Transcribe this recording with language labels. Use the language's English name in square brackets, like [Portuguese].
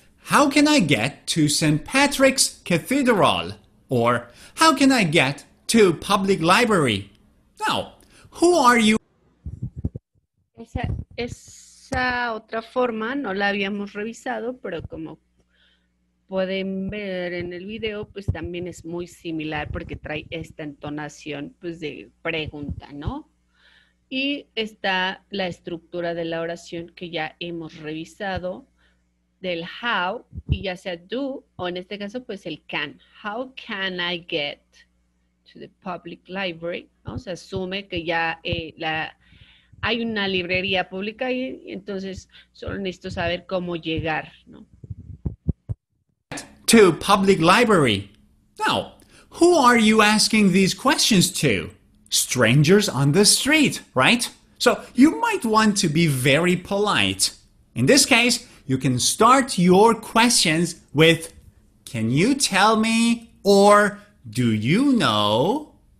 [English] How can I get to St. Patrick's Cathedral? Or how can I get to public library? Now, who are you? [Spanish] Esa otra forma no la habíamos revisado, pero como pueden ver en el video, pues también es muy similar porque trae esta entonación pues de pregunta, ¿no? Y está la estructura de la oración que ya hemos revisado, del how, y ya sea do, o en este caso, pues el can. [English] How can I get to the public library? [Spanish] ¿No? Se asume que ya hay una librería pública ahí, y entonces solo necesito saber cómo llegar, ¿no? [English] To public library. Now, who are you asking these questions to? Strangers on the street, right? So you might want to be very polite. In this case, you can start your questions with, can you tell me, or do you know?